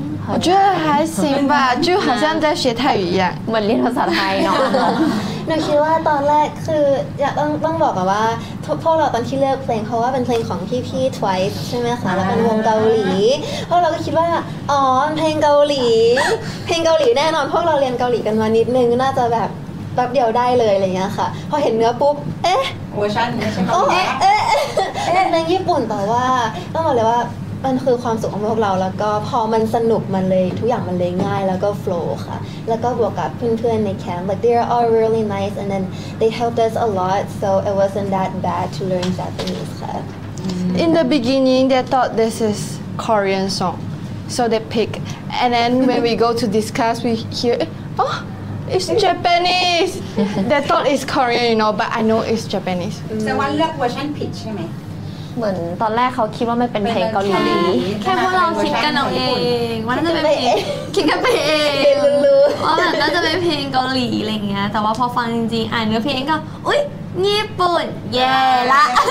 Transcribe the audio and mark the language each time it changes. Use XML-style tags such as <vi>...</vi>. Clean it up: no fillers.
<zh>我觉得还行吧就好像在学泰语一样我练了啥泰语</zh> <th>หนูคิดว่าตอนแรกคืออยากต้องบอกว่าพวกเราตอนที่เลือกเพลงเพราะว่าเป็นเพลงของพี่ๆ Twice ใช่ไหมคะแล้วเป็นวงเกาหลีพวกเราก็คิดว่าอ๋อเพลงเกาหลีเพลงเกาหลีแน่นอนพวกเราเรียนเกาหลีกันมานิดนึงน่าจะแบบแป๊บเดียวได้เลยอะไรเงี้ยค่ะพอเห็นเนื้อปุ๊บเอ๊ะ เวอร์ชันนี้ ใช่ไหม เอ๊ะเป็นเพลงญี่ปุ่นแต่ว่าต้องบอกเลยว่ามันคือความสุขของพวกเราแล้วก็พอมันสนุกมันเลยทุกอย่างมันเลยง่ายแล้วก็โฟลว์ค่ะแล้วก็บวกกับเพื่อนๆในแคมป์</th> <en>like they are all really nice and then they helped us a lot so it wasn't that bad to learn Japanese</en> <th>ค่ะ</th> <en>In the beginning they thought this is Korean song so they pick and then when we go to discuss we hear oh it's Japanese they thought it's Korean you know but I know it's Japanese</en> <th>แสดงว่าเลือกเวอร์ชันผิดใช่ไหม เหมือนตอนแรกเขาคิดว่ามันเป็นเพลงเกาหลี แค่พวกเราคิดกันเอาเองว่าน่าจะเป็นเพลงคิดกันไปเองว่าแบบน่าจะเป็นเพลงเกาหลีอะไรเงี้ยแต่ว่าพอฟังจริงๆอ่านเนื้อเพลงก็อุ๊ยญี่ปุ่นเย่ละ</th>